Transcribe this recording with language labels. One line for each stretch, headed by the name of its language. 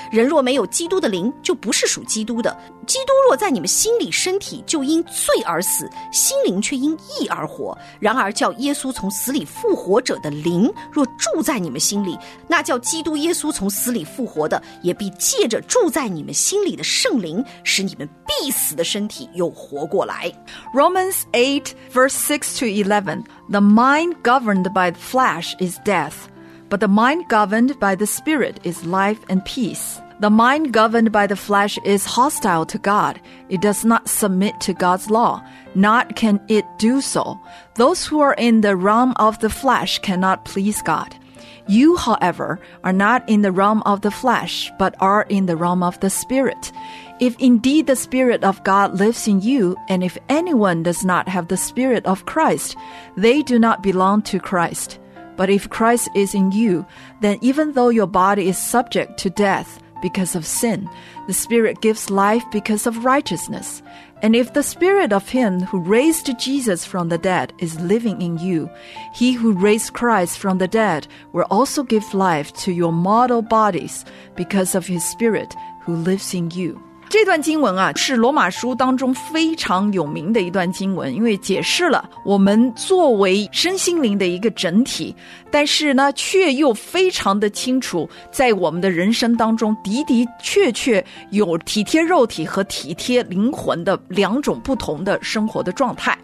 Chinese: 人若没有基督的灵，就不是属基督的。基督若在你们心里，身体就因罪而死，心灵却因义而活。然而叫耶稣从死里复活者的灵若住在你们心里，那叫基督耶稣从死里复活的也必借着住在你们心里的圣灵，使你们必死的身体又活过来。
English: Romans 8 verse 6 to 11, The mind governed by the flesh is death, but the mind governed by the spirit is life and peace. The mind governed by the flesh is hostile to God. It does not submit to God's law, nor can it do so. Those who are in the realm of the flesh cannot please God. You, however, are not in the realm of the flesh, but are in the realm of the spirit. If indeed the spirit of God lives in you, and if anyone does not have the spirit of Christ, they do not belong to Christ. But if Christ is in you, then even though your body is subject to death because of sin, the spirit gives life because of righteousness. And if the spirit of him who raised Jesus from the dead is living in you, he who raised Christ from the dead will also give life to your mortal bodies because of his spirit who lives in you.
Chinese: 这段经文啊，是罗马书当中非常有名的一段经文，因为解释了我们作为身心灵的一个整体，但是呢，却又非常的清楚，在我们的人生当中的的确确有体贴肉体和体贴灵魂的两种不同的生活的状态。